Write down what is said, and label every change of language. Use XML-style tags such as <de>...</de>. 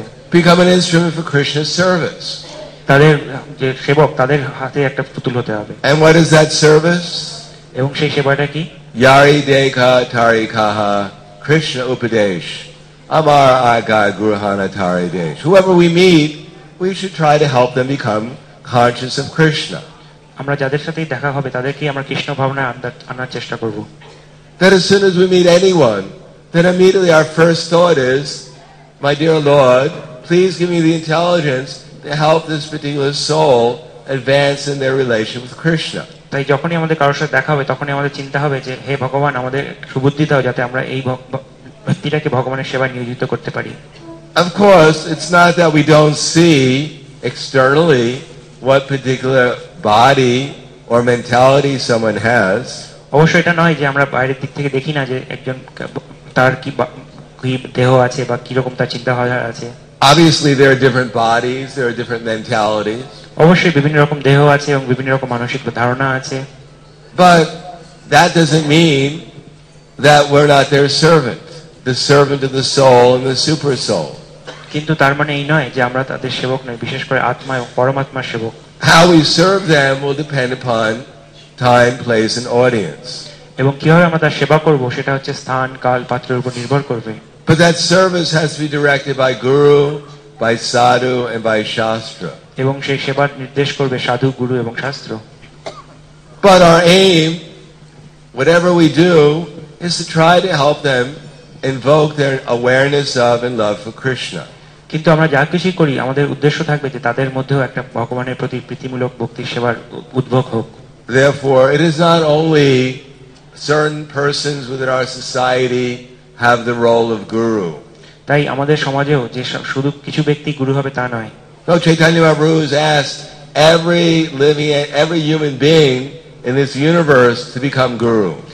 <en>become an instrument for Krishna's service.</en> <bn>তাদের যে সেবক তাদের হাতে একটা পুতুল হতে হবে.</bn> <en>And what is that service?</en> <bn>এবং সেই সেবাটা কি? Yari dekha tari kaha Krishna upadesh amar agar guruhana tari desh.</bn> <en>Whoever we meet, we should try to help them become conscious of Krishna.</en> <bn>আমরা যাদের সাথেই দেখা হবে তাদেরকে আমরা কৃষ্ণ ভাবনা আনার চেষ্টা করব.</bn> <en>That as soon as we meet anyone, then immediately our first thought is, my dear Lord, please give me the intelligence to help this particular soul advance in their relation with Krishna.</en> <bn>তাই যখনই আমাদের কারোর সাথে দেখা হবে তখনই আমাদের চিন্তা হবে যে হে ভগবান আমাদের সুবুদ্ধি দাও যাতে আমরা এই ব্যক্তিটাকে ভগবানের সেবায় নিয়োজিত করতে পারি.</bn> <en>Of course, it's not that we don't see externally what particular body or mentality someone has.</en> <bn>অবশ্যই এটা নয় যে আমরা বাইরের দিক থেকে দেখি না যে একজন তার কি দেহ আছে বা কিরকম তার চিন্তাধারা আছে.</bn> <en>Obviously there are different bodies, there are different mentalities.</en> <bn>অবশ্যই বিভিন্ন রকম দেহ আছে এবং বিভিন্ন রকম মানসিক ধারণা আছে.</bn> <en>But that doesn't mean that we're not their servant, the servant of the soul and the super soul.</en> <bn>কিন্তু তার মানে এই নয় যে আমরা তাদের সেবক নয়, বিশেষ করে আত্মা এবং পরমাত্মার সেবক.</bn> <en>How we serve them will depend upon time, place and audience.</en> <bn>এবং কিভাবে আমরা তার সেবা করব সেটা হচ্ছে স্থান কাল পাত্রের উপর নির্ভর করবে.</bn> <en>But that service has to be directed by guru, by sadhu and by shastra.</en> <bn>এবং সেই সেবা নির্দেশ করবে সাধু গুরু এবং শাস্ত্র.</bn> <en>But our aim, whatever we do, is to try to help them invoke their awareness of and love for Krishna.</en> <bn>কিন্তু আমরা যা কিছু করি আমাদের উদ্দেশ্য থাকবে যে তাদের মধ্যেও একটা ভগবানের প্রতি প্রীতিমূলক ভক্তি সেবার উদ্ভব হোক.</bn> <en>Therefore, it is not only certain persons within our society have the role of guru.</en> <bn>তাই আমাদের সমাজেও যে শুধু কিছু ব্যক্তি গুরু হবে তা নয়.</bn> <en>So Chaitanya Mahaprabhu has asked every living, every human being in this universe to become guru.</en>